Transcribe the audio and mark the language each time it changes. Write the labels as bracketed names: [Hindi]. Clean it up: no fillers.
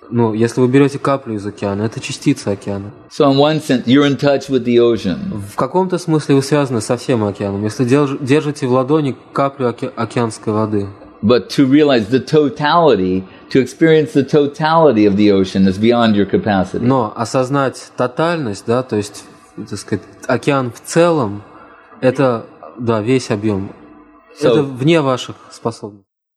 [Russian] Ну, если вы берете каплю из океана, это частица океана. [English] So in one sense, you're in touch with the ocean. [Russian] В каком-то смысле вы связаны со всем океаном, если держите в ладони каплю океанской воды. [English] But to realize the totality, to experience the totality of the ocean is beyond your capacity. [Russian] Но осознать тотальность, да, то есть, так сказать, океан в целом, это, да, весь объем. So, это вне ваших способностей.